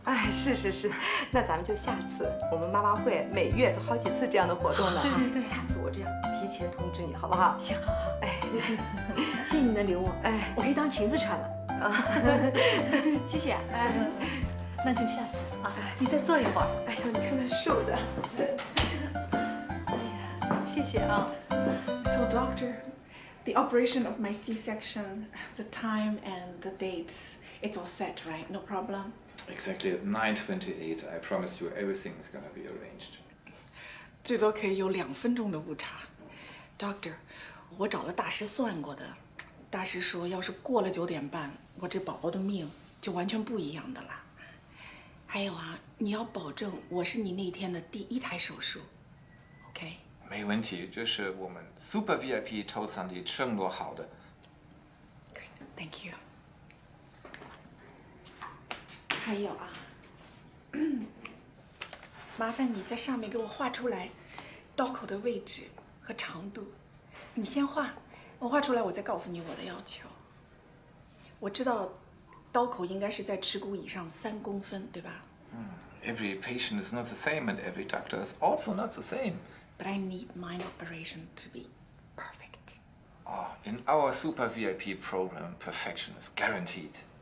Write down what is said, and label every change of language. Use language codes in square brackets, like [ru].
[zh] 哎，是是是，那咱们就下次，我们妈妈会每月都好几次这样的活动呢。对对对，下次我这样提前通知你，好不好？行，好好。哎，谢谢你的礼物，哎，我可以当裙子穿了啊。谢谢。哎，那就下次啊，你再坐一会儿。哎呦，你看他瘦的。谢谢啊。 [en] So doctor, the operation of my C-section, the time and the dates, it's all set, right? No problem. Exactly at 9:28. I promise you everything is gonna be arranged. [zh] 最多可以有2分钟的误差。Doctor, 我找了大师算过的，大师说要是过了9:30，我这宝宝的命就完全不一样的了。还有啊，你要保证我是你那天的第一台手术 ，OK？没问题，这是我们 Super VIP 套餐里承诺好的。 [en] Good, thank you。 [zh] 还有啊，麻烦你在上面给我画出来刀口的位置和长度。你先画，我画出来我再告诉你我的要求。我知道。刀口应该是在耻骨以上3公分，对吧？嗯 [en] ，Every patient is not the same, and every doctor is also not the same. But I need my operation to be perfect. Oh, in our super VIP program, perfection is guaranteed.